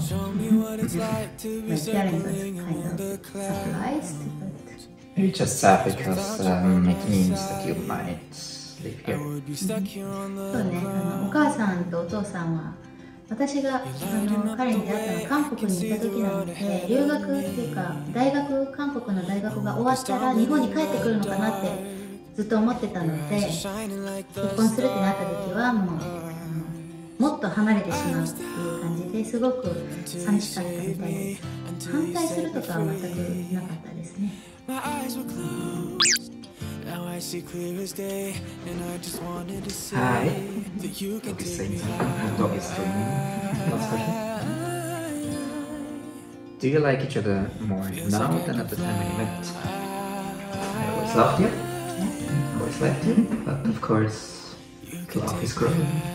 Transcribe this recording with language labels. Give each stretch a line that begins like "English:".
English: Show me what it's like to be struggling in the clouds. Are you just sad because it means that you might live here?
Japanese: So, my father and my 私が彼に出会ったのは韓国に行った時なので、留学っていうか大学、韓国の大学が終わったら日本に帰ってくるのかなってずっと思ってたので、結婚するってなった時はもうもっと離れてしまうっていう感じで、すごく寂しかったみたいで、反対するとかは全くなかったですね。
English: Now I see clear as day, and I just wanted to say that you can take me higher. Do you like each other more now than at the time we met? I always loved you, I always liked you, but of course, love is growing.